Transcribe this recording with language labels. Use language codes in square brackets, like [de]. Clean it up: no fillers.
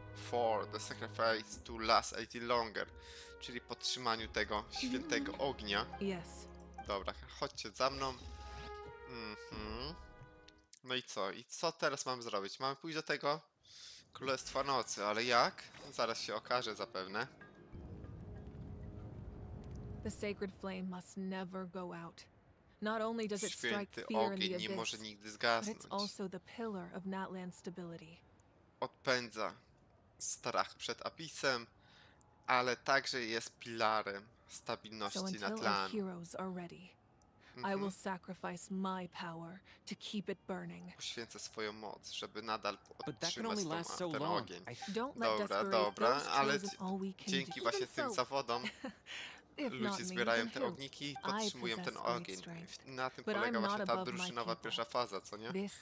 [en] For the sacrifice to last a little longer, [pl] czyli podtrzymaniu tego świętego ognia. [en] Yes. [pl] Dobra, chodźcie za mną. No i co? I co teraz mamy zrobić? Mamy pójść do tego Królestwa Nocy, ale jak? Zaraz się okaże zapewne. [en] The sacred flame must never go out. Not only does it strike fear in the abyss, [pl] Święty ogień nie może nigdy zgasnąć. [en] But it's also the pillar of Natlan's stability. [pl] Odpędza strach przed Abyssem, ale także jest pilarem stabilności na tlanie. [en] So heroes are ready, I will sacrifice my power to keep it burning. [pl] Poświęcę swoją moc, żeby nadal utrzymać ten ogień. Dobra, ale dzięki właśnie tym zawodom ludzie zbierają te ogniki i podtrzymują ten ogień. Na tym polega właśnie ta drużynowa pierwsza faza, co nie?